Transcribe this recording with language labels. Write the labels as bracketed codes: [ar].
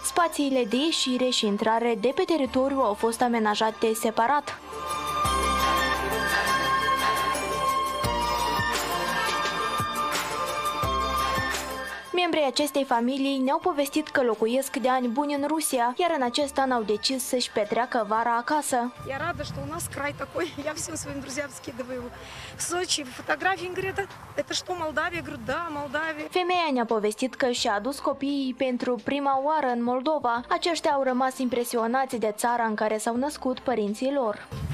[ro] Spațiile de ieșire și intrare de pe teritoriu au fost amenajate separat. Membrii acestei familii ne-au povestit că locuiesc de ani buni în Rusia, iar în acest an au decis să-și petreacă vara acasă. [ru] Я рада, что у нас край такой. Я всем своим друзьям скидываю. В Сочи фотографии, говорят, это что, Молдавия? Говорю, да, Молдавия. [ro] Femeia ne-a povestit că și-a adus copiii pentru prima oară în Moldova. Aceștia au rămas impresionați de țara în care s-au născut părinții lor.